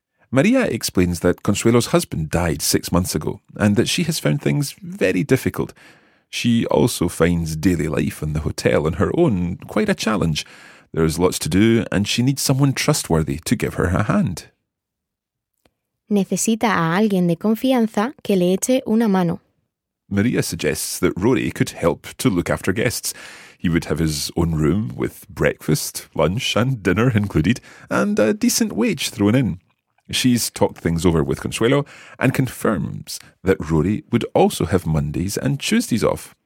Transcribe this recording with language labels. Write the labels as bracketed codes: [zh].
[en] Maria explains that Consuelo's husband died 6 months ago and that she has found things very difficult. She also finds daily life in the hotel on her own quite a challenge. There is lots to do and she needs someone trustworthy to give her a hand. [es] Necesita a alguien de confianza que le eche una mano. [en] Maria suggests that Rory could help to look after guests. He would have his own room with breakfast, lunch and dinner included, and a decent wage thrown in. She's talked things over with Consuelo and confirms that Rory would also have Mondays and Tuesdays off.